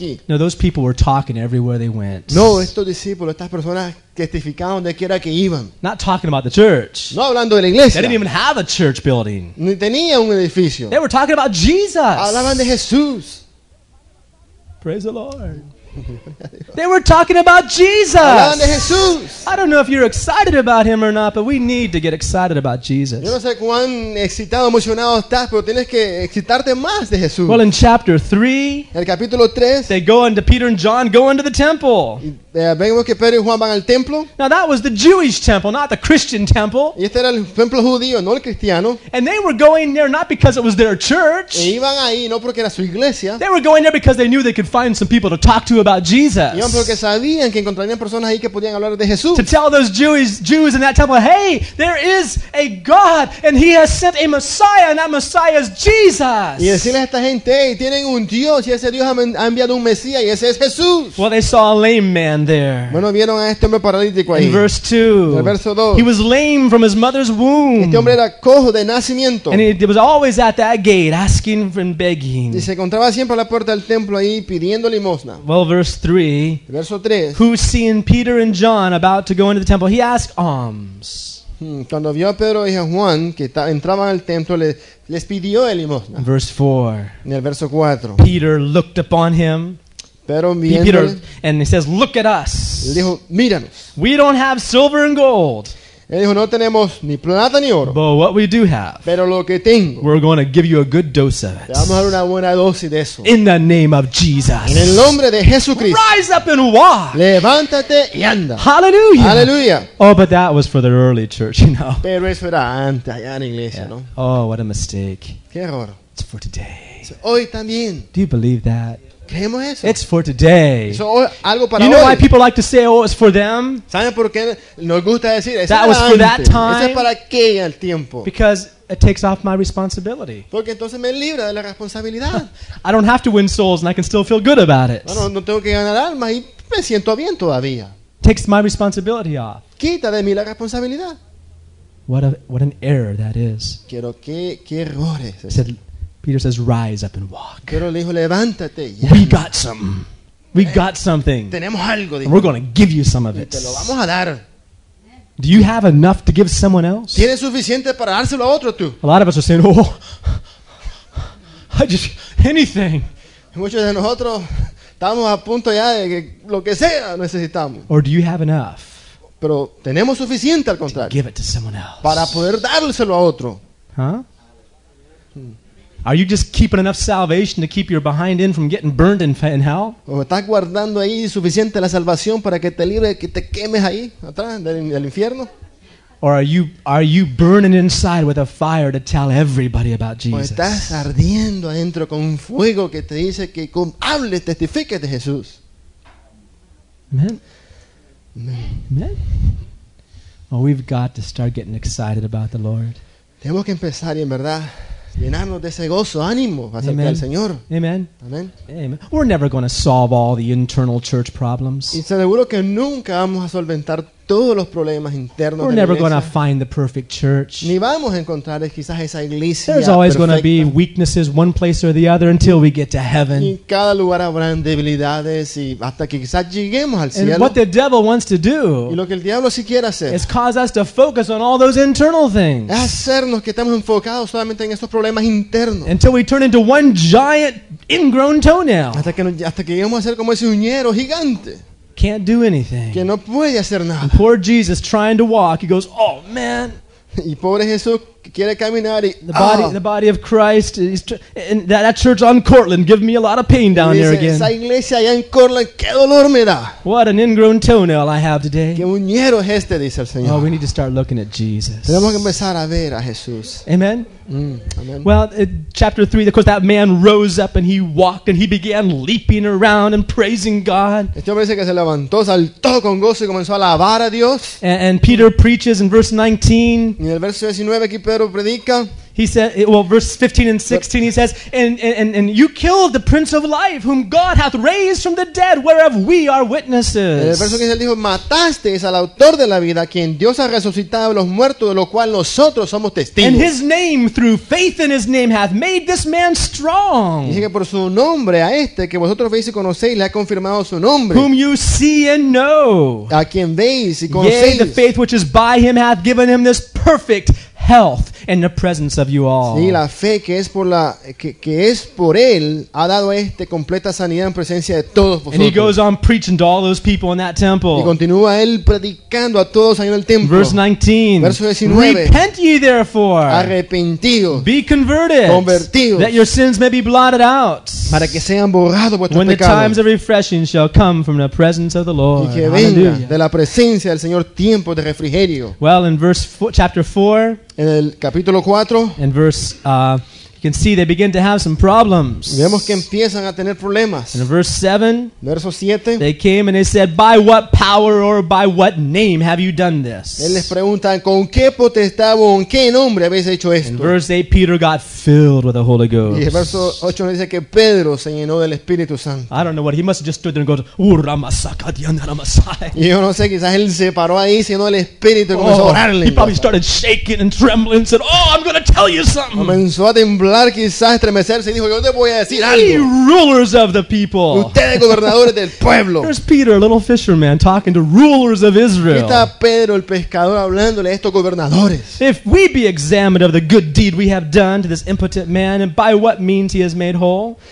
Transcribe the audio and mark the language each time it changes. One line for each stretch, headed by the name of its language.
English: No, those people were talking everywhere they went.
Spanish: No, estos discípulos, estas personas testificaban de quiera que iban.
English: Not talking about the church.
Spanish: No hablando de la iglesia.
English: They didn't even have a church building.
Spanish: Ni tenía un edificio.
English: They were talking about Jesus.
Spanish: Hablaban de Jesús.
English: Praise the Lord. They were talking about Jesus.
Spanish: Hablando de Jesús.
English: I don't know if you're excited about him or not, but we need to get excited about Jesus.
Spanish: Yo no sé cuán excitado, emocionado estás, pero tienes que excitarte más de Jesús.
English: Well, in chapter 3,
Spanish: el capítulo 3,
English: they go into Peter and John, go into the temple.
Spanish: Vemos que Pedro y Juan van al templo.
English: Now that was the Jewish temple, not the Christian temple.
Spanish: Y este era el templo judío, no el cristiano.
English: And they were going there not because it was their church.
Spanish: E iban ahí, no porque era su iglesia.
English: They were going there because they knew they could find some people to talk to about Jesus.
Spanish: Iban porque sabían que encontrarían personas ahí que podían hablar de Jesús.
English: To tell those Jews in that temple, hey, there is a God and he has sent a Messiah and that Messiah is Jesus.
Spanish: Y decirles a esta gente, hey, tienen un Dios y ese Dios ha enviado un Mesías y ese es Jesús.
English: Well, they saw a lame man there.
Spanish: Bueno, vieron a este hombre paralítico ahí.
English: In verse 2.
Spanish: El verso 2.
English: He was lame from his mother's womb.
Spanish: Este hombre era cojo de nacimiento.
English: And he was always at that gate asking and begging.
Spanish: Y se encontraba siempre a la puerta del templo ahí pidiendo limosna.
English: Well, verse 3.
Spanish: Verso 3.
English: Who seeing Peter and John about to go into the temple, he asked alms.
Spanish: Cuando vio a Pedro y a Juan que entraban al templo, les pidió el limosna.
English: Verse 4.
Spanish: En el verso 4.
English: Peter looked upon him. Peter, and he says, "Look at us."
Spanish: Dijo, "Míranos.
English: We don't have silver and gold."
Spanish: Él dijo, "No tenemos ni plata ni oro."
English: But what we do have,
Spanish: pero lo que tengo,
English: we're going to give you a good dose of it.
Spanish: Te vamos a dar una buena dosis de eso.
English: In the name of Jesus.
Spanish: En el nombre de Jesucristo.
English: Rise up and walk.
Spanish: Levántate y anda. Hallelujah. Hallelujah.
English: Oh, but that was for the early church, you know.
Spanish: Pero eso era antes, allá en la iglesia, yeah. ¿No?
English: Oh, what a mistake.
Spanish: Qué error.
English: It's for today.
Spanish: Hoy también.
English: Do you believe that?
Spanish: Eso.
English: It's for today.
Spanish: Eso, algo para
English: you know
Spanish: hoy.
English: Why people like to say, oh, it's for them?
Spanish: ¿Saben por qué nos gusta decir?
English: That, that was for that time.
Spanish: Eso es para qué el tiempo.
English: Because it takes off my responsibility.
Spanish: Porque entonces me libra de la responsabilidad.
English: I don't have to win souls and I can still feel good about it.
Spanish: Bueno, no tengo que ganar almas y me siento bien todavía.
English: Takes my responsibility off.
Spanish: Quita de mí la responsabilidad.
English: What an error that is.
Spanish: Quiero qué error es
English: ese. Peter says, "Rise up and walk."
Spanish: Pero le dijo, "Levántate y
English: anda." We got some. We got something.
Spanish: Tenemos algo,
English: and we're going to give you some of it.
Spanish: Te lo vamos a dar.
English: Do you have enough to give someone else?
Spanish: ¿Tienes suficiente para dárselo a otro, tú?
English: A lot of us are saying, "Oh, I just anything."
Spanish: Muchos de nosotros estamos a punto ya de que lo que sea necesitamos.
English: Or do you have enough?
Spanish: Pero tenemos suficiente al contrario.
English: To give it to someone else.
Spanish: Para poder dárselo a otro. Huh?
English: Are you just keeping enough salvation to keep your behind in from getting burned in hell?
Spanish: ¿O estás guardando ahí suficiente la salvación para que te libre, que te quemes ahí atrás del infierno?
English: Or are you burning inside with a fire to tell everybody about Jesus?
Spanish: ¿O estás ardiendo adentro con fuego que te dice que hable, testifique de Jesús? Amen. Amen. Amen.
English: Well, we've got to start getting excited about the Lord.
Spanish: Tenemos que empezar y en verdad llenarnos de ese gozo, ánimo acerca del Señor. Amen. Amen. Amen.
English: We're never going to solve all the internal church problems.
Spanish: Y seguro que nunca vamos a solventar todos los problemas internos.
English: We're never going to find the perfect church.
Spanish: Ni vamos a encontrar quizás esa iglesia perfecta.
English: There's always going to be weaknesses one place or the other until we get to heaven.
Spanish: Y en cada lugar habrán debilidades y hasta que quizás lleguemos al cielo.
English: And what the devil wants to do,
Spanish: y lo que el diablo sí quiere hacer,
English: is cause us to focus on all those internal things.
Spanish: Es hacernos que estamos enfocados solamente en esos problemas internos.
English: Until we turn into one giant ingrown toenail.
Spanish: Hasta que lleguemos a ser como ese uñero gigante.
English: Can't do anything.
Spanish: Que no puede hacer nada.
English: And poor Jesus trying to walk, he goes, "Oh man."
Spanish: Y pobre Jesús quiere caminar y,
English: the body of Christ and that church on Cortland give me a lot of pain down there again.
Spanish: Esa iglesia allá en Cortland, qué dolor me da.
English: What an ingrown toenail I have today.
Spanish: Qué uñero es este, dice el Señor.
English: Oh, we need to start looking at Jesus.
Spanish: Tenemos que empezar a ver a Jesús. Amen. Amen.
English: Well, chapter 3, of course, that man rose up and he walked and he began leaping around and praising God.
Spanish: Este hombre dice que se levantó, saltó con gozo y comenzó a alabar a Dios.
English: And Peter preaches in verse 19.
Spanish: Y en el verso 19 aquí Pedro predica.
English: He said, well, verse 15 and 16, he says, and you killed the Prince of Life, whom God hath raised from the dead, whereof we are witnesses.
Spanish: El verso 15 dijo, mataste al autor de la vida, quien Dios ha resucitado de los muertos, de lo cual nosotros somos testigos.
English: And his name, through faith in his name, hath made this man strong.
Spanish: Dice que por su nombre, a este que vosotros veis y conocéis, le ha confirmado su nombre.
English: Whom you see and know.
Spanish: A quien veis y conocéis.
English: Yea, the faith which is by him hath given him this perfect health in the presence of you all.
Spanish: Sí, la fe que es por la que es por él ha dado este completa sanidad en presencia de todos vosotros.
English: And he goes on preaching to all those people in that temple.
Spanish: Y continúa él predicando a todos ahí en el templo.
English: Verse 19.
Spanish: Verso 19.
English: Repent ye therefore.
Spanish: Arrepentidos.
English: Be converted.
Spanish: Convertidos.
English: That your sins may be blotted out.
Spanish: Para que sean borrados vuestros
English: when
Spanish: pecados.
English: When the times of refreshing shall come from the presence of the Lord.
Spanish: Y que venga de la presencia del Señor tiempo de refrigerio.
English: Well, in verse chapter 4.
Spanish: En el capítulo 4,
English: in verse, you can see they begin to have some problems.
Spanish: Vemos que empiezan a tener problemas.
English: In verse 7,
Spanish: verso 7,
English: they came and they said, "By what power or by what name have you done this?"
Spanish: Él les pregunta, ¿con qué potestad o en qué nombre habéis hecho esto?
English: In verse 8, Peter got filled with the Holy Ghost.
Spanish: Y en verso 8 dice que Pedro se llenó del Espíritu Santo.
English: I don't know what he must have just stood there and goes, "Urra masakadiana ramasai."
Spanish: Y yo no sé, quizás él se paró ahí, se llenó del Espíritu y comenzó a orarle.
English: He probably started shaking and trembling and said, "Oh, I'm going to tell you something."
Spanish: Comenzó a temblar. Quizás estremecerse y dijo, yo te voy a decir algo.
English: Ye rulers of the people.
Spanish: Ustedes gobernadores del pueblo.
English: There's Peter, a little fisherman, talking to rulers of Israel.
Spanish: Está Pedro, el pescador, hablándole a estos gobernadores.
English: If we be examined of the good deed we have done to this impotent man and by what means he has made whole.